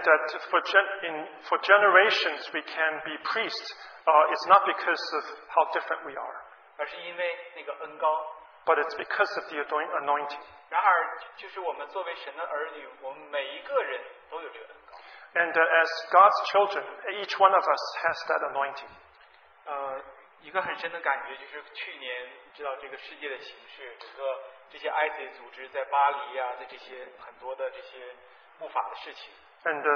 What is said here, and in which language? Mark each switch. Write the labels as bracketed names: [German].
[English] that for generations we can be priests, it's not because of how different we are. [Chinese] 而是因为那个恩膏。 [English] But it's because of the anointing. [Chinese] 然而，就是我们作为神的儿女，我们每一个人都有这个恩膏。 [English] And as God's children, each one of us has that anointing. [Chinese] 一个很深的感觉就是去年知道这个世界的形势，整个这些 ISIS 组织在巴黎啊，在这些很多的这些不法的事情。 [English] And